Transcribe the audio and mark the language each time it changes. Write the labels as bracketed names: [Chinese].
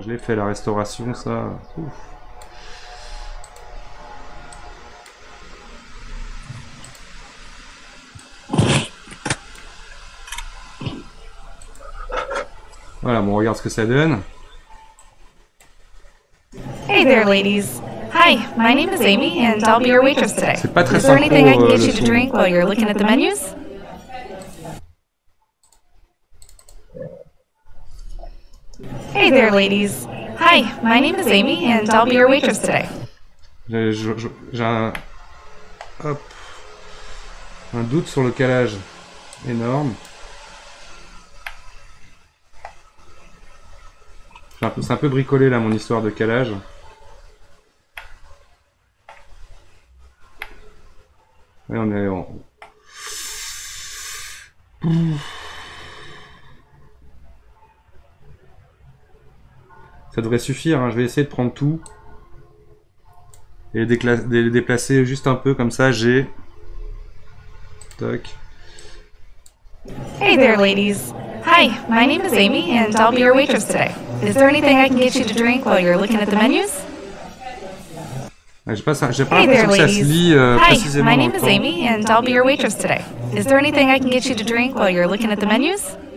[French] Je l'ai fait, la restauration, ça. Ouf. Voilà, bon, on regarde ce que ça donne. [English] Hey there, ladies. Hi, my name is Amy, and I'll be your waitress today. [French] C'est pas très [English] simple. Is there anything I can get you to drink while you're looking at the menus? Hey there, ladies. Hi, my name is Amy, and I'll be your waitress today. [French] J'ai un... Hop. Un doute sur le calage énorme. C'est un peu bricolé là mon histoire de calage. Ouais, on est en... Ça devrait suffire, hein. Je vais essayer de prendre tout et les déplacer juste un peu comme ça. J'ai. Toc. [English] Hey there, ladies. Hi, my name is Amy and I'll be your waitress today. Is there anything I can get you to drink while you're looking at the menus? [French] J'ai pas l'impression que ça se lit précisément. [English] Hi, my name is Amy and I'll be your waitress today. Is there anything I can get you to drink while you're looking at the menus?